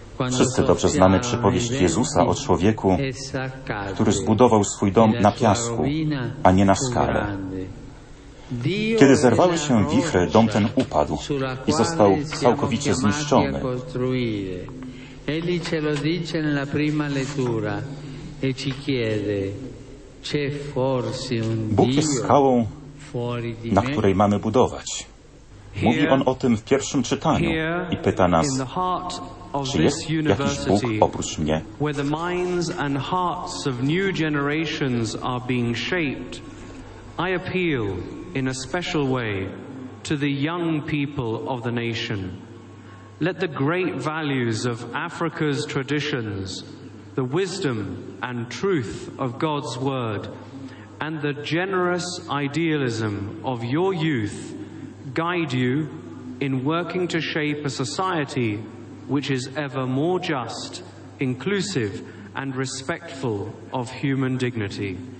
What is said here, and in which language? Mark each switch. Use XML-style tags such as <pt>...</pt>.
<pl>Wszyscy dobrze znamy przypowieść Jezusa o człowieku, który zbudował swój dom na piasku, a nie na skale. Kiedy zerwały się wichry, dom ten upadł i został całkowicie zniszczony.</pl> <it>Egli ce lo dice nella prima lettura e ci chiede: c'è forse un Dio?</it> <pl>Bóg jest skałą, na której mamy budować. Mówi on o tym w pierwszym czytaniu i pyta nas: czy jest jakiś Bóg oprócz mnie?</pl> <en>Where the minds and hearts of new generations are being shaped, I appeal in a special way to the young people of the nation. Let the great values of Africa's traditions, the wisdom and truth of God's word, and the generous idealism of your youth guide you in working to shape a society which is ever more just, inclusive, and respectful of human dignity.</en>